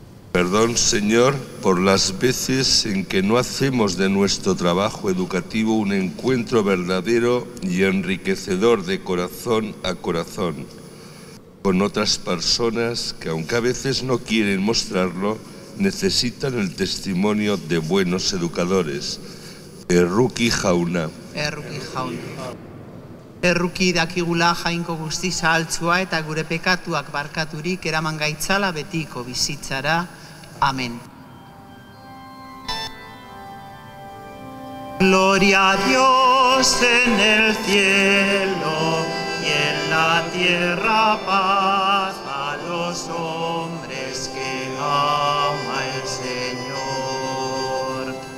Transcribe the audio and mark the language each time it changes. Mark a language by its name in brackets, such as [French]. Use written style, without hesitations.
[Spanish] Perdón, Señor, por las veces en que no hacemos de nuestro trabajo educativo un encuentro verdadero y enriquecedor de corazón a corazón con otras personas que, aunque a veces no quieren mostrarlo, necesitan el testimonio de buenos educadores. [Basque] Erruki jauna. Erruki jauna. Erruki dakigula jainko guztiza altzua eta gure pekatuak barkaturik eraman gaitzala betiko bizitzara. [Spanish] Amén. Gloria a Dios en el cielo y en la tierra paz a los hombres que ama el Señor.